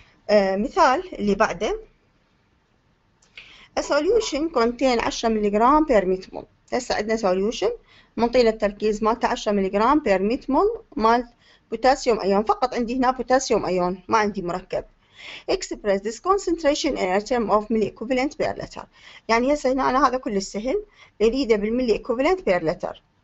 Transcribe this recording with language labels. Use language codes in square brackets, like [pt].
[ar] مثال اللي بعده. [en] A solution contain [ar] 10 مليغرام بير ميت مول. هسه عندنا solution منطيل التركيز مالته 10 مليغرام بير ميت مول مال بوتاسيوم ايون، فقط عندي هنا بوتاسيوم ايون ما عندي مركب. [en] Express this concentration in a term of milli equivalent per liter. [ar] يعني هسه هنا انا هذا كل السهل اريده بالملي equivalent per liter.